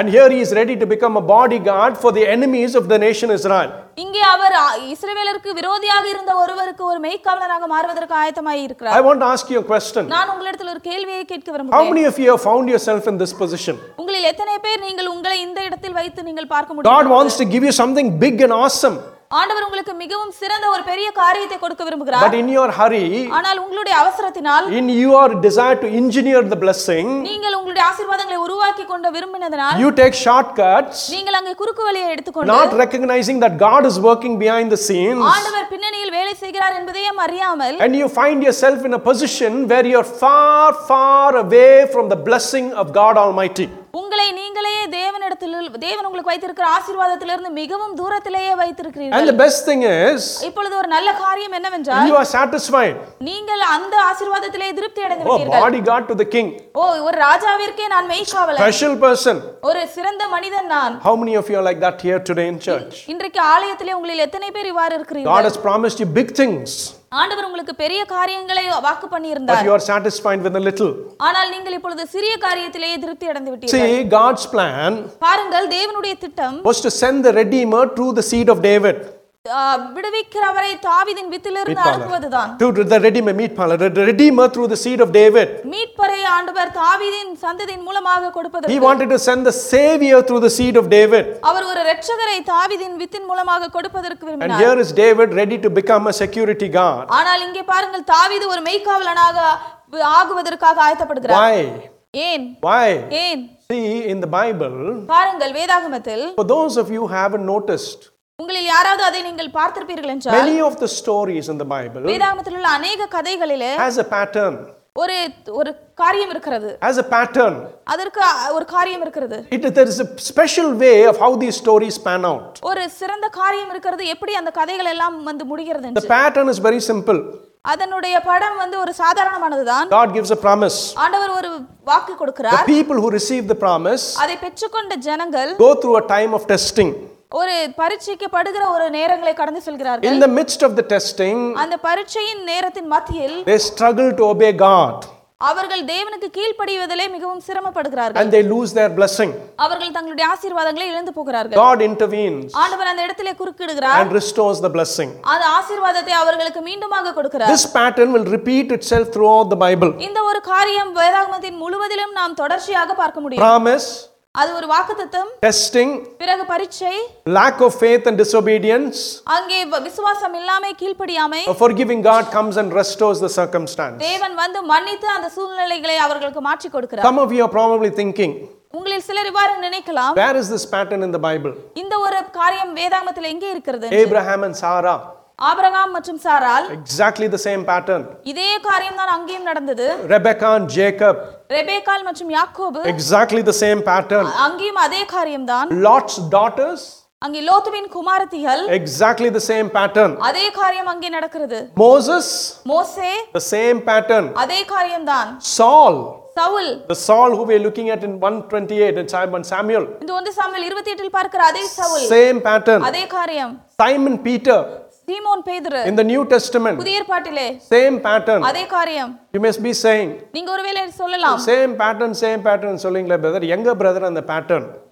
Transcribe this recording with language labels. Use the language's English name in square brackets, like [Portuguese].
[English] and here he is ready to become a bodyguard for the enemies of the nation Israel [Tamil] இங்கே அவர் இஸ்ரவேலருக்கு விரோதியாக இருந்த ஒருவருக்கு ஒரு மெய்க்காவலனாக மாறுவதற்கு ஆயத்தமாக இருக்கிறார் [English] I want to ask you a question [Tamil] நான் உங்களிடத்தில் ஒரு கேள்வியை கேட்க விரும்புகிறேன் [English] How many of you have found yourself in this position [Tamil] உங்களில் எத்தனை பேர் நீங்கள் உங்களை இந்த இடத்தில் வைத்து நீங்கள் பார்க்க முடியும் [English] God wants to give you something big and awesome [Tamil] ஆண்டவர் உங்களுக்கு மிகவும் சிறந்த ஒரு பெரிய காரியத்தை கொடுக்க விரும்புகிறார் [English] But in your hurry [Tamil] ஆனால் உங்களுடைய அவசரத்தினால் [English] In your desire to engineer the blessing [Tamil] நீங்கள் உங்களுடைய ஆசீர்வாதங்களை உருவாக்கி கொண்ட விரும்பினதனால் [English] You take shortcuts [Tamil] நீங்கள் அங்கே குறுக்கு வழியை எடுத்துக்கொண்டு [English] Not recognizing that God is working behind the scenes [Tamil] ஆண்டவர் பின்னணியில் வேலை செய்கிறார் என்பதையும் அறியாமல் [English] And you find yourself in a position where you are far far away from the blessing of God Almighty [Tamil] உங்களை நீங்களே தேவனிடத்தில் தேவன் உங்களுக்கு வைத்திருக்கிற ஆசீர்வாதத்திலிருந்து மிகவும் தூரத்திலேயே வைத்திருக்கிறீர்கள் [English] And the best thing is [Tamil] இப்பொழுது ஒரு நல்ல காரியம் என்னவென்றால் [English] You are satisfied [Tamil] நீங்கள் அந்த ஆசீர்வாதத்திலே திருப்தி அடைந்திருக்கிறீர்கள் [English] Oh, bodyguard to the king [Tamil] ஓ ஒரு ராஜாவிற்கே நான் மெய்க்காவலன் [English] Special person [Tamil] ஒரு சிறந்த மனிதன் நான் [English] How many of you are like that here today in church [Tamil] இன்றைக்கு ஆலயத்திலே உங்களில் எத்தனை பேர் இவ்வாறு இருக்கிறீர்கள் [English] God has promised you big things [Tamil] ஆண்டவர் உங்களுக்கு பெரிய காரியங்களை வாக்கு பண்ணியிருந்தார் [English] But you are satisfied with a little [Tamil] ஆனால் நீங்கள் இப்பொழுது சிறிய காரியத்திலேயே திருப்தி அடைந்து விட்டீர்கள் [English] See God's plan [Tamil] பாருங்கள் தேவனுடைய திட்டம் [English] was to send the redeemer through the seed of David [Tamil] விடுவிக்கிறவரை தாவீதின் வித்திலிருந்து அனுப்புவதுதான் [English] to the redeemer the redeemer through the seed of David [Tamil] மீட்பரை ஆண்டவர் தாவீதின் சந்ததியின் மூலமாக கொடுப்பதற்கு [English] he wanted to send the savior through the seed of David [Tamil] அவர் ஒரு இரட்சகரை தாவீதின் within மூலமாக கொடுப்பதற்கு விரும்பினார் [English] and here is David ready to become a security guard [Tamil] ஆனால் இங்கே பாருங்கள் தாவீது ஒரு மெய்க்காவலனாக ஆகுவதற்காக ஆயத்தப்படுகிறார் [English] why see in the bible [Tamil] பாருங்கள் வேதாகமத்தில் [English] for those of you haven't noticed [Tamil] உங்களில் யாராவது அதை நீங்கள் பார்த்திருப்பீர்கள் என்றால் [English] many of the stories in the bible [Tamil] வேதாகமத்தில் உள்ள அநேக கதைகளிலே [English] has a pattern [Tamil] ஒரு ஒரு காரியம் இருக்கிறது [English] as a pattern [Tamil] அதற்கு ஒரு காரியம் இருக்கிறது [English] there is a special way of how these stories pan out [Tamil] ஒரு சிறந்த காரியம் இருக்கிறது எப்படி அந்த கதைகள் எல்லாம் வந்து முடிகிறது என்று [English] the pattern is very simple [Tamil] அதனுடைய படம் வந்து ஒரு சாதாரணமானதுதான் [English] God gives a promise [Tamil] ஆண்டவர் ஒரு வாக்கு கொடுக்கிறார் [English] the people who receive the promise [Tamil] அதை பெற்றுக்கொண்ட ஜனங்கள் [English] go through a time of testing [Tamil] ஒரு பரீட்சைக்கு படுகிற ஒரு நேரங்களை கடந்து செல்கிறார்கள் [English] in the midst of the testing [Tamil] அந்த பரீட்சையின் நேரத்தின் மத்தியில் [English] they struggle to obey God [Tamil] அவர்கள் தேவனுக்கு கீழ்ப்படிவதிலே மிகவும் சிரமப்படுகிறார்கள் [English] and they lose their blessing [Tamil] அவர்கள் தங்களுடைய ஆசீர்வாதங்களை இழந்து போகிறார்கள் [English] God intervenes [Tamil] ஆண்டவர் அந்த இடத்திலே குறுக்கிடுகிறார் [English] and restores the blessing [Tamil] அந்த ஆசீர்வாதத்தை அவர்களுக்கு மீண்டுமாக கொடுக்கிறார் [English] this pattern will repeat itself throughout the bible [Tamil] இந்த ஒரு காரியம் வேதாகமத்தின் முழுவதிலும் நாம் தொடர்ச்சியாக பார்க்க முடியும் [English] promise [Tamil] அது ஒரு வாக்குத்தத்தம் [English] testing [Tamil] பிறகு பரீட்சை [English] lack of faith and disobedience [Tamil] அங்கே விசுவாசம் இல்லாமே கீழ்ப்படியாமே [English] a forgiving god comes and restores the circumstance [Tamil] தேவன் வந்து மன்னித்து அந்த சூழ்நிலைகளை அவர்களுக்கு மாற்றி கொடுக்கிறார் [English] some of you are probably thinking [Tamil] உங்களில் சிலர் இவ்வாறு நினைக்கலாம் [English] where is this pattern in the bible [Tamil] இந்த ஒரு காரியம் வேதாகமத்தில் எங்கே இருக்கிறது [English] Abraham and Sarah [Tamil] ஆபிரகாம் மற்றும் சாராள் [English] exactly the same pattern [Tamil] இதே காரியம் தான் அங்கேயும் நடந்தது [English] Rebecca and Jacob [Tamil] ரெபெக்கா மற்றும் யாக்கோபு [English] exactly the same pattern [Tamil] அங்கேயும் அதே காரியம் தான் [English] Lot's daughters [Tamil] அங்கே லோத்துவின் குமாரத்திகள் [English] exactly the same pattern [Tamil] அதே காரியம் அங்கே நடக்கிறது [English] Moses [Tamil] மோசே [English] the same pattern [Tamil] அதே காரியம் தான் [English] Saul Saul the Saul who we are looking at in 128 in Samuel [Tamil] இந்த வந்து சாமுவேல் 28 இல் பார்க்கிற அதே சவுல் [English] same pattern [Tamil] அதே காரியம் [English] Simon Peter Simon Peter in the new testament [Tamil] புதிய ஏற்பாட்டிலே [English] same pattern [Tamil] அதே காரியம் [English] you must be saying [Tamil] நீங்க ஒருவேளை சொல்லலாம் [English] same pattern [Tamil] சொல்லுங்களே பிரதர் எங்க பிரதர் அந்த pattern